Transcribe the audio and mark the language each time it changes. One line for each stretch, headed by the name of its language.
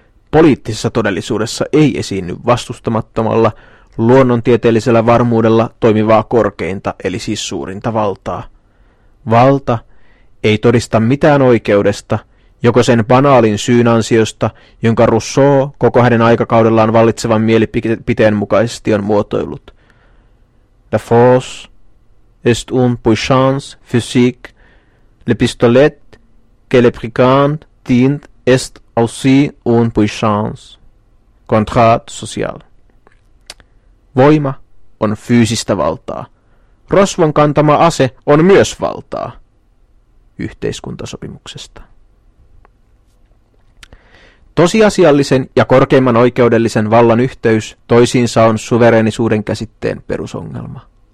Finnish: Poliittisessa todellisuudessa ei esiinny vastustamattomalla, luonnontieteellisellä varmuudella toimivaa korkeinta, eli siis suurinta valtaa. Valta ei todista mitään oikeudesta, joko sen banaalin syyn ansiosta, jonka Rousseau koko hänen aikakaudellaan vallitsevan mielipiteen mukaisesti on muotoillut.
French: La force est une puissance physique, le pistolet que le brigand tient est aussi une puissance, contrat social.
Finnish: Voima on fyysistä valtaa. Rosvon kantama ase on myös valtaa. Yhteiskuntasopimuksesta. Tosiasiallisen ja korkeimman oikeudellisen vallan yhteys toisiinsa on suvereenisuuden käsitteen perusongelma.